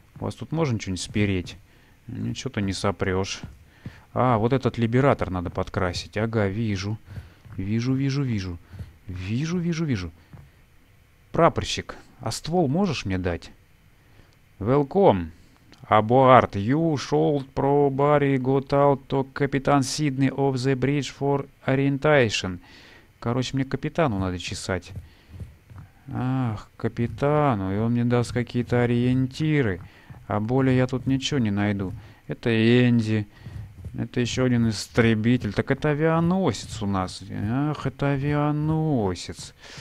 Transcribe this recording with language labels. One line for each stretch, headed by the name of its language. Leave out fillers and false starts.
Russian: У вас тут можно что-нибудь спереть? Ничего ты не сопрешь. А, вот этот либератор надо подкрасить. Ага, вижу. Вижу, вижу, вижу. Вижу, вижу, вижу. Прапорщик, а ствол можешь мне дать?
English: Welcome. Aboard. You should probably go out to Captain Sydney of the bridge for orientation.
Russian: Короче, мне капитану надо чесать. Ах, капитану. И он мне даст какие-то ориентиры. А более я тут ничего не найду. Это Энди. Это еще один истребитель. Так это авианосец у нас. Ах, это авианосец.